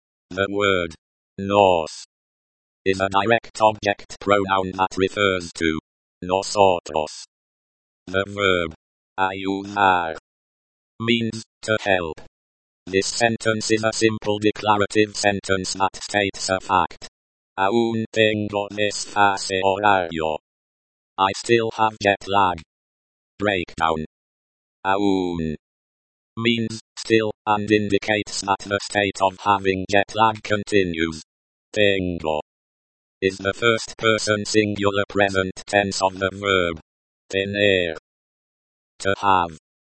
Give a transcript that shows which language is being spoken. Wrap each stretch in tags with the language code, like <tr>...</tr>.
<en>The word nos is a direct object pronoun that refers to nosotros. The verb ayudar means to help. This sentence is a simple declarative sentence that states a fact.</en> <es>Aún tengo desfase horario.</es> <en>I still have jet lag. Breakdown. Aún means still and indicates that the state of having jet lag continues. Tengo is the first person singular present tense of the verb tener, to have.</en>